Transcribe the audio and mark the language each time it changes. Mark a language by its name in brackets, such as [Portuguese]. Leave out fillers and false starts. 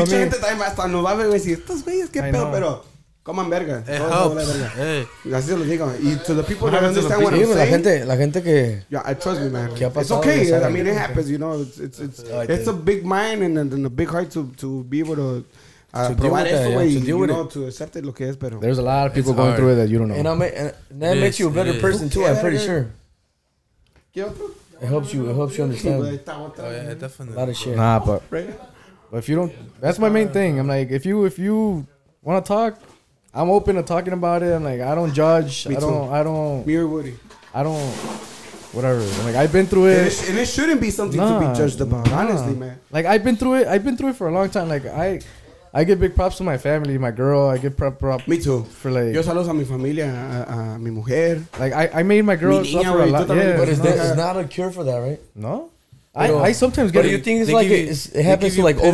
[Spanish] mucha gente también hasta no va a decir, estos güeyes, qué pedo, pero. [English] Come on, verga. It helps. Hey. Y to the people that understand what I'm saying. [Spanish] La gente que... [English] Yeah, I trust me, man. It's okay. I mean, it happens, you know. It's a big mind and a big heart to be able to... To deal with it. To accept it, [Spanish] lo que es, pero... [English] There's a lot of people going through it that you don't know. And that makes you a better person, too, I'm pretty sure. It helps you understand. Definitely. A lot of shit. Nah, but... But if you don't... That's my main thing. I'm like, if you want to talk... I'm open to talking about it. I'm like, I don't judge. Me I don't. Too. I don't. Me or Woody. I don't. Whatever. I'm like, I've been through it. And it shouldn't be something to be judged about. Nah. Honestly, man. Like, I've been through it. I've been through it for a long time. Like, I give big props to my family, my girl. I give props. Me too. For like. [Spanish] Yo saludos a mi familia, a mi mujer. [English] Like, I made my girl. [Spanish] Mi niña, [English] suffer a lot. Yeah, but it's not a cure for that, right? No. I sometimes get. But do you think it's like it happens to like pills.